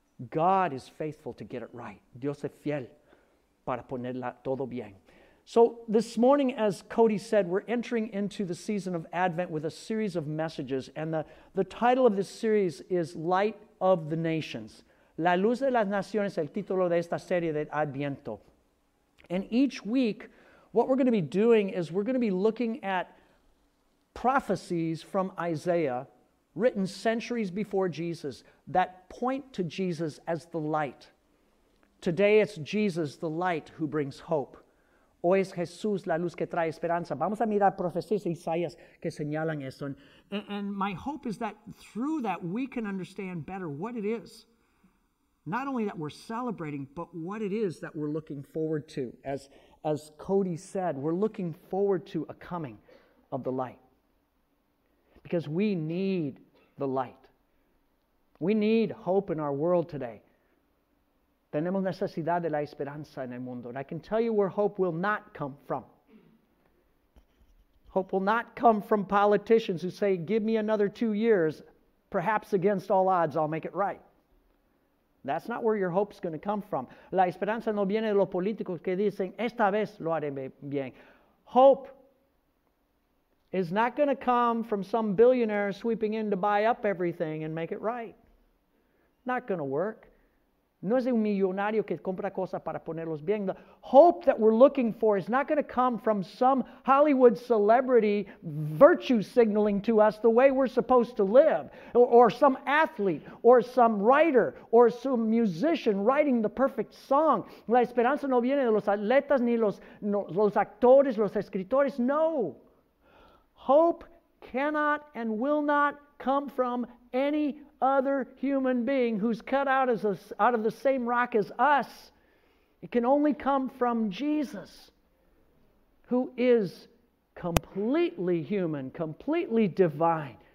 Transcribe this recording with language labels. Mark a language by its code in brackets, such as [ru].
[en] God is faithful to get it right. [es] Dios es fiel para ponerla todo bien. [en] So this morning, as Cody said, we're entering into the season of Advent with a series of messages. And the title of this series is Light of the Nations. [es] La Luz de las Naciones, el título de esta serie de Adviento. [en] And each week, what we're going to be doing is we're going to be looking at prophecies from Isaiah, written centuries before Jesus, that point to Jesus as the light. Today it's Jesus, the light, who brings hope. [es] Hoy es Jesús, la luz que trae esperanza. Vamos a mirar profecías de Isaías que señalan eso. [en] And my hope is that through that we can understand better what it is, not only that we're celebrating, but what it is that we're looking forward to. As Cody said, we're looking forward to a coming of the light. Because we need the light. We need hope in our world today. [es] Tenemos necesidad de la esperanza en el mundo. [en] And I can tell you where hope will not come from. Hope will not come from politicians who say, give me another 2 years, perhaps against all odds I'll make it right. That's not where your hope is going to come from. [es] La esperanza no viene de los políticos que dicen, esta vez lo haré bien. [en] Hope is not going to come from some billionaire sweeping in to buy up everything and make it right. Not going to work. [es] No es un millonario que compra cosas para ponerlos bien. [en] The hope that we're looking for is not going to come from some Hollywood celebrity virtue signaling to us the way we're supposed to live, or some athlete, or some writer, or some musician writing the perfect song. [es] La esperanza no viene de los atletas ni los actores, los escritores. [en] No. Hope cannot and will not come from any other human being who's cut out as out of the same rock as us. It can only come from Jesus, who is completely human, completely divine.